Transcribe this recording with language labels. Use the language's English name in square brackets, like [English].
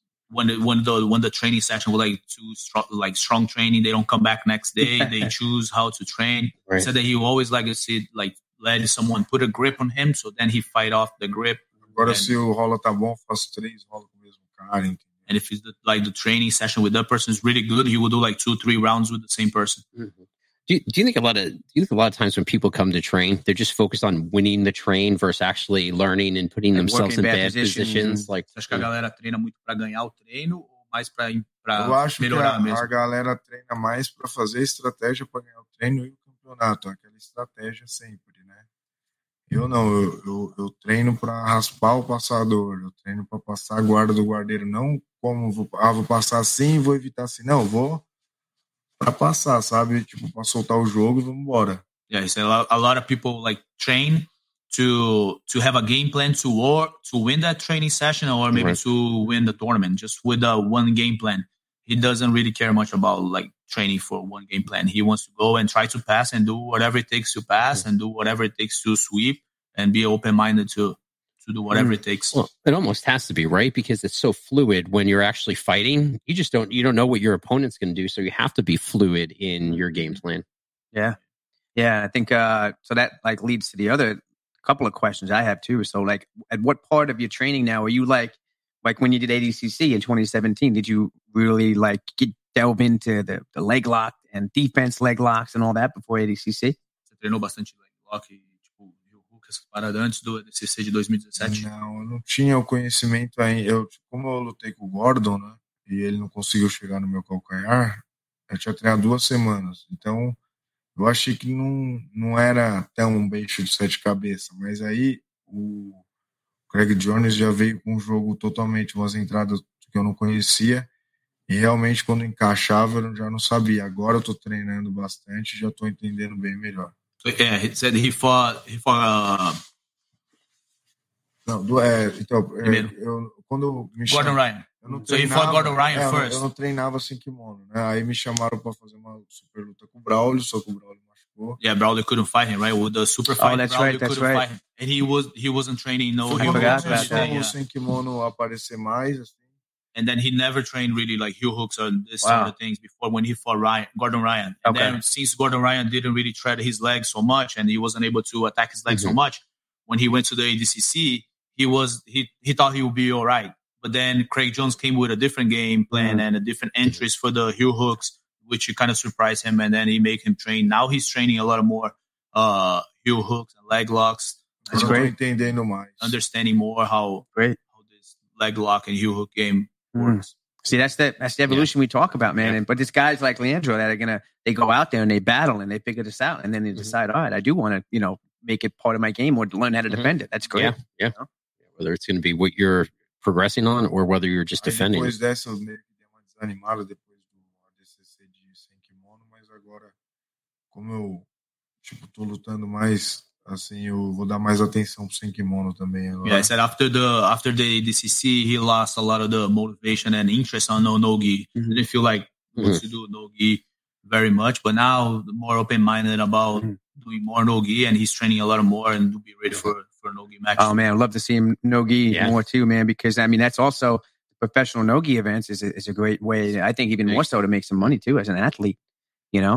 [English] When the training session was like strong training, they don't come back next day. They choose how to train. Right. Said that he always like to see like let someone put a grip on him, so then he fight off the grip. [Portuguese] Agora se o rola tá bom, faço três rola com o mesmo cara. Entendeu? [English] And if it's the training session with that person is really good, he will do like 2-3 rounds with the same person. Mm-hmm. Do you think a lot of times when people come to train, they're just focused on winning the train versus actually learning and putting like themselves in bad positions? Like, [Portuguese] acho que a galera treina muito para ganhar o treino ou mais para melhorar mesmo? Eu acho que a galera treina mais para fazer estratégia para ganhar o treino e o campeonato, aquela estratégia sempre, né? Eu não, eu treino para raspar o passador, eu treino para passar a guarda do guardeiro, não como vou passar assim e vou evitar assim, não, vou pra passar, sabe? Tipo, pra soltar o jogo e vambora. [English] Yeah, so a lot of people like train to have a game plan to win that training session or maybe right. to win the tournament just with one game plan. He doesn't really care much about like training for one game plan. He wants to go and try to pass and do whatever it takes to pass and do whatever it takes to sweep and be open-minded to do whatever it takes. Well, it almost has to be, right? Because it's so fluid when you're actually fighting. You don't know what your opponent's going to do, so you have to be fluid in your game plan. Yeah. Yeah, I think so that like leads to the other couple of questions I have too. So like at what part of your training now are you like when you did ADCC in 2017, did you really like delve into the leg lock and defense leg locks and all that before ADCC? [Portuguese] Você treinou bastante leg lock e parada antes do ADCC de 2017? Não, eu não tinha o conhecimento ainda. Eu, como eu lutei com o Gordon, né, e ele não conseguiu chegar no meu calcanhar, eu tinha treinado 2 semanas. Então, eu achei que não era tão um beijo de 7 cabeças. Mas aí, o Craig Jones já veio com um jogo totalmente, umas entradas que eu não conhecia. E realmente, quando encaixava, eu já não sabia. Agora eu tô treinando bastante, já tô entendendo bem melhor. [English] Yeah, he said Gordon Ryan. [Portuguese] Eu não treinava sem kimono, né? Aí me chamaram para fazer uma super luta com o Braulio, só que o Braulio machucou. [English] Yeah, Braulio couldn't fight him, right? With the super fight, Braulio couldn't fight him. And he wasn't training, no. [Portuguese] Foi bom sem kimono aparecer mais, assim. [English] And then he never trained really like heel hooks or this sort of things before when he fought Gordon Ryan. And then since Gordon Ryan didn't really tread his legs so much and he wasn't able to attack his legs so much, when he went to the ADCC, he thought he would be all right. But then Craig Jones came with a different game plan and a different entries for the heel hooks, which kind of surprised him. And then he made him train. Now he's training a lot more heel hooks and leg locks. That's great. Understanding more how this leg lock and heel hook game works. See, that's the evolution we talk about, man. Yeah. And, but these guys like Leandro that are going to, they go out there and they battle and they figure this out. And then they decide, all right, I do want to, you know, make it part of my game or learn how to defend it. That's great. Yeah. You know? Whether it's going to be what you're progressing on or whether you're just defending. [Portuguese] Depois dessa, meio que deu uma desanimada depois do ADCC de sem kimono, mas agora, como eu tipo, tô lutando mais, assim, eu vou dar mais atenção pro sem kimono também agora. [English] Yeah, I said after the ADCC, he lost a lot of the motivation and interest on no-gi. Mm-hmm. Didn't feel like to do no-gi very much, but now more open-minded about doing more no-gi, and he's training a lot more and to be ready for no-gi match. Oh man, I'd love to see him no-gi more too, man, because I mean, that's also professional no-gi events is a great way, I think even more so, to make some money too as an athlete, you know?